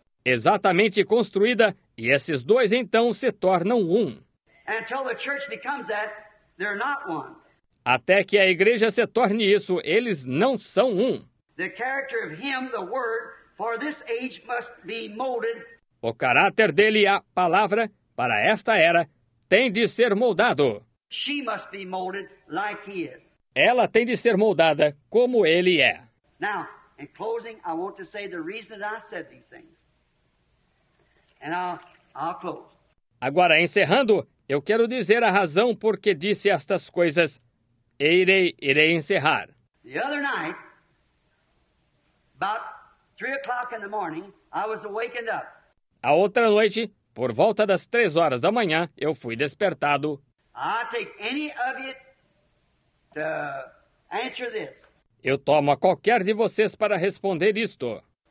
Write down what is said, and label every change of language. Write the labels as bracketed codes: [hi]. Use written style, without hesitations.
[pt] Exatamente construída, e esses dois então se tornam um. [en] And until the church becomes that, they're not one. [pt] Até que a igreja se torne isso, eles não são um. [en] The character of him, the word, for this age must be molded. [pt] O caráter dele, a palavra, para esta era, tem de ser moldado. [en] She must be molded like he is. [pt] Ela tem de ser moldada como ele é. [en] Now, in closing, I want to say the reason that I said these things. And I'll close. [pt] Agora, encerrando, eu quero dizer a razão por que disse estas coisas. E irei encerrar. [en] The other night, about 3 o'clock in the morning, I was awakened up. [pt] A outra noite, por volta das 3 horas da manhã, eu fui despertado. [en] I take any of you to answer this. [pt] Eu tomo a qualquer de vocês para responder isto.